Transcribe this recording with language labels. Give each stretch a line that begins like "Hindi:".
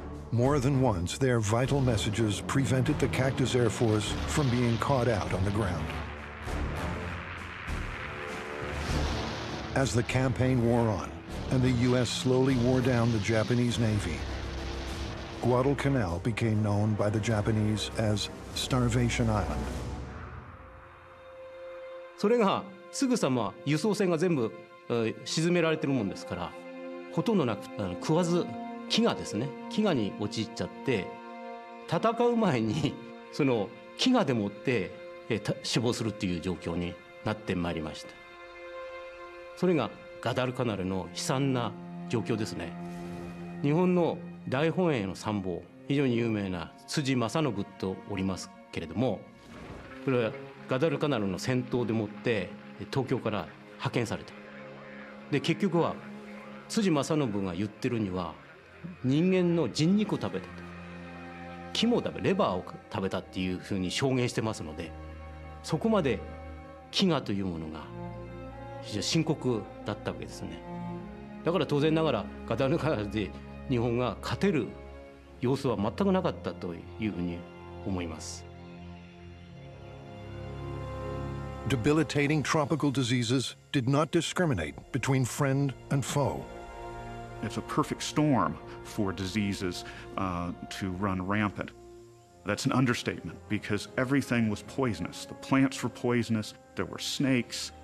English: More than once, their vital messages prevented the Cactus Air Force from being caught out on the ground. As the campaign wore on, and the U.S. slowly wore down the Japanese Navy, Guadalcanal became known by the Japanese as Starvation Island.
Japanese: それがすぐさま輸送船が全部沈められてるもんですから、ほとんどなく食わず飢餓ですね。飢餓に陥っちゃって、戦う前にその飢餓でもって死亡するっていう状況になってまいりました。それがガダルカナルの悲惨な状況ですね。日本の大本営の参謀、非常に有名な辻正信とおりますけれども、これはガダルカナルの戦闘でもって東京から派遣された。で、結局は辻正信が言ってるには、人間の人肉を食べたと、肝を食べ、レバーを食べたっていうふうに証言してますので、そこまで飢餓というものが非常に深刻だったわけですね。だから当然ながらガダルカナルで日本が勝てる様子は全くなかったというふうに思います。
English: Debilitating tropical diseases did not discriminate between friend and foe. It's a perfect storm for diseases to run rampant. That's an understatement, because everything was poisonous. The plants were poisonous, there were snakes.